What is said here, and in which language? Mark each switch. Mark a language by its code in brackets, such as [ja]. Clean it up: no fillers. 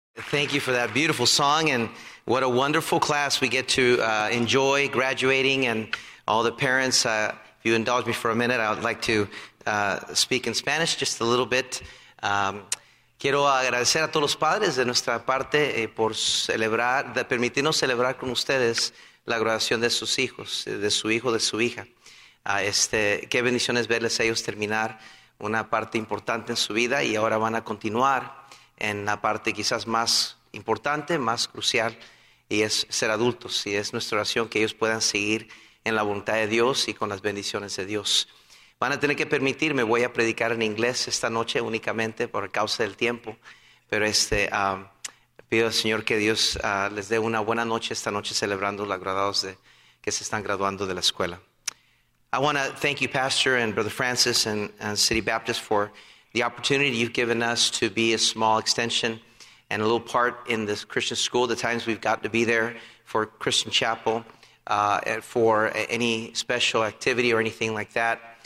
[en] Thank you for that beautiful song, and what a wonderful class we get to enjoy graduating, and all the parents, if you indulge me for a minute, I would like to speak in Spanish just a little bit. [es] Quiero agradecer a todos los padres de nuestra parte por celebrar, de permitirnos celebrar con ustedes la graduación de sus hijos, de su hijo, de su hija. Qué bendición es verles a ellos terminar una parte importante en su vida y ahora van a continuar en la parte quizás más importante, más crucial, y es ser adultos. Y es nuestra oración que ellos puedan seguir en la voluntad de Dios y con las bendiciones de Dios. Van a tener que permitirme, voy a predicar en inglés esta noche únicamente por causa del tiempo, pero pido al Señor que Dios les dé una buena noche esta noche celebrando los graduados de, que se están graduando de la escuela. [en] I want to thank you, Pastor and Brother Francis and City Baptist, for the opportunity you've given us to be a small extension and a little part in this Christian school, the times we've got to be there for Christian Chapel, for any special activity or anything like that.